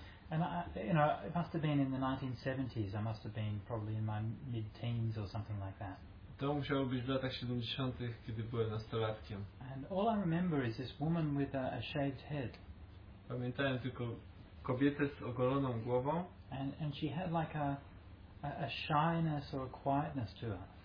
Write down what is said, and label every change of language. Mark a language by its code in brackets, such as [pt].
[en] And I, you know, it must have been in the 1970s. I must have been probably in my mid-teens or something like that. [pl] To musiało być w latach 70., kiedy byłem nastolatkiem. [en] And all I remember is this woman with a shaved head. [pl] Pamiętam tylko kobietę z ogoloną głową. [en] And she had like a shyness or a quietness to her.